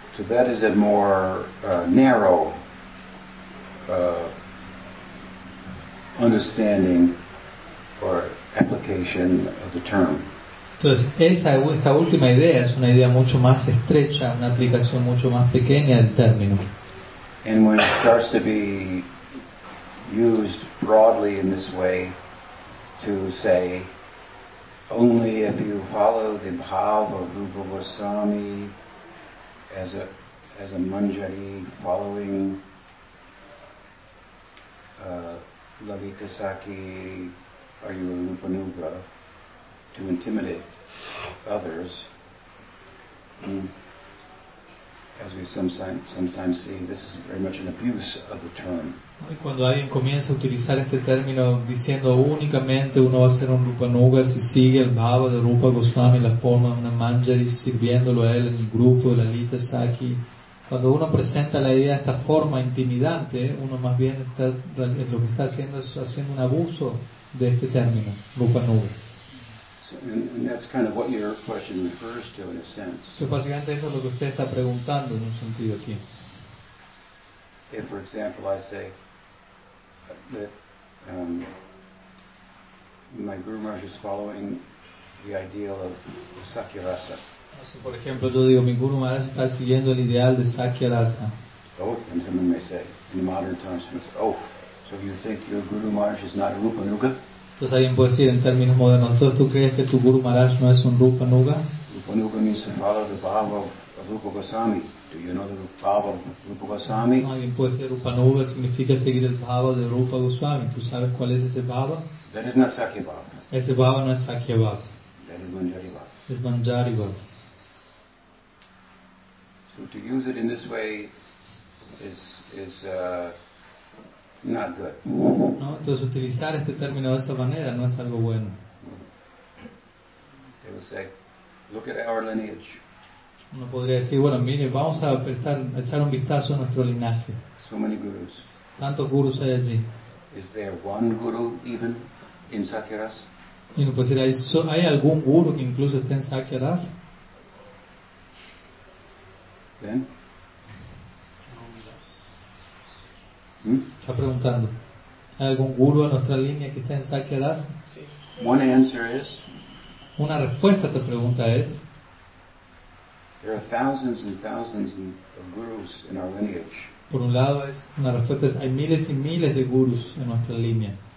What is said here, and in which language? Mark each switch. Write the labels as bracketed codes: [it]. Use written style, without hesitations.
[en] That is a more narrow understanding or application of the term. [es] Entonces, esta última idea es una idea mucho más estrecha, una aplicación mucho más pequeña del término. [en] And when it starts to be used broadly in this way to say only if you follow the bhav of Rupa Goswami as a manjari following Lalita Saki are you a Rupanuga, to intimidate others, as we sometimes see, this is very much an abuse of the term. [es] Y cuando alguien comienza a utilizar este término diciendo únicamente uno va a ser un Rupanuga si sigue el bhava de Rupa Goswami, la forma de una manjari sirviéndolo a él en el grupo de Lalita Saki, cuando uno presenta la idea de esta forma intimidante, uno más bien está, lo que está haciendo es haciendo un abuso de este término, Rupanuga. Entonces, básicamente eso es lo que usted está preguntando en un sentido aquí. [en] If, for example, I say that my Guru Maharaj is following the ideal of Sakya Rasa. [es] Si, por ejemplo, yo digo, mi Guru Maharaj está siguiendo el ideal de Sakya Rasa. [en] Oh, and someone may say, in modern times, someone says, oh, so you think your Guru Maharaj is not a Rupanuga? [es] Entonces alguien puede decir, en términos modernos, ¿entonces tú crees que tu Guru Maharaj no es un Rupanuga? [en] Rupanuga means to follow the bhava of Rupa Goswami. Do you know the bhava of Rupa Goswami? [es] No, alguien puede decir, Rupanuga significa seguir el bhava de Rupa Goswami. ¿Tú sabes cuál es ese bhava? [en] That is not Sakya bhava. [es] Ese bhava no es Sakya bhava. [en] That is Manjari bhava. [es] Es Manjari bhava. [en] So to use it in this way is not good. [es] No, entonces utilizar este término de esa manera no es algo bueno. [en] They would say, look at our lineage. [es] Uno podría decir, bueno, mire, vamos a prestar, a echar un vistazo a nuestro linaje. [en] So many gurus. [es] Tantos gurus hay allí. [en] Is there one guru even in Sakya Rasa? [es] Y uno puede decir, ¿hay algún guru que incluso esté en Sakya Rasa? [en] Then. [es] Está preguntando, ¿hay algún guru en nuestra línea que está en Sakya Rasa? Sí. [en] One answer is, [es] una respuesta a esta pregunta es, [en] there are thousands and thousands of gurus in our lineage. [es] Por un lado es, una respuesta es, hay miles y miles de gurus en nuestra línea.